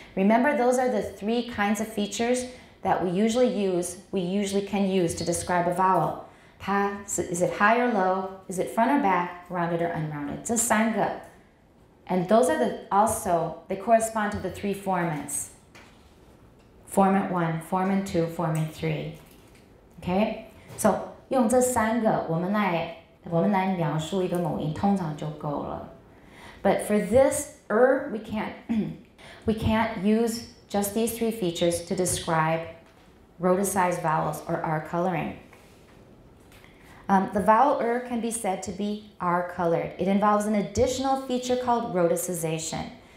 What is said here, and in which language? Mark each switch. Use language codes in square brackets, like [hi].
[en] Remember, those are the three kinds of features that we usually can use to describe a vowel. Ha, so is it high or low? Is it front or back? Rounded or unrounded? [zh] 这三个。 [en] And those are they correspond to the three formants. Formant 1, formant 2, formant 3. Okay? [zh] So,用这三个我们来描述一个母音通常就够了。 [en] But for this er, we can't use just these three features to describe rhoticized vowels or R coloring. The vowel er can be said to be R colored. It involves an additional feature called rhoticization.